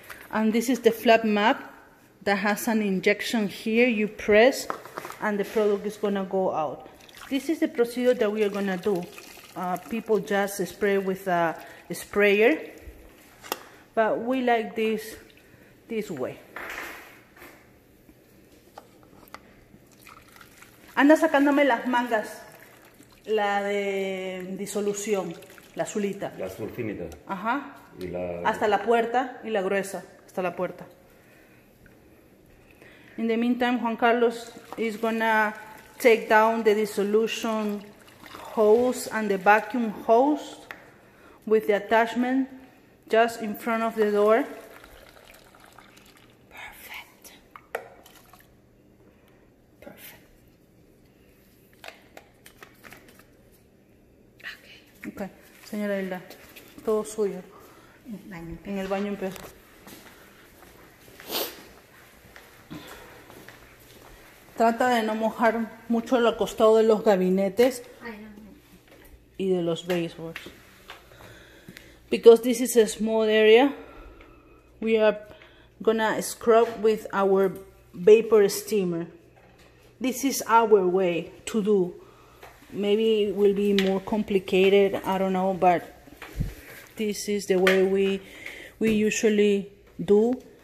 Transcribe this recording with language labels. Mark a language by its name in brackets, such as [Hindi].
[English] And this is the flat map that has an injection here. You press and the product is gonna go out. This is the procedure that we are gonna do. People just spray with a sprayer, but we like this way. [Spanish] Anda sacándome las mangas, la de disolución, la azulita. La azul finita. Ajá. Y la... Hasta la puerta y la gruesa. La puerta. [English] In the meantime, Juan Carlos is gonna take down the dissolution hose and the vacuum hose with the attachment just in front of the door. Perfect. Perfect. Okay. [Spanish] Okay, señora Hilda, todo suyo. En el baño empezó. Trata de no mojar mucho el costado de los gabinetes y de los baseboards. [English] Because this is a small area, we are gonna scrub with our vapor steamer. This is our way to do. Maybe it will be more complicated, I don't know, but this is the way we usually do.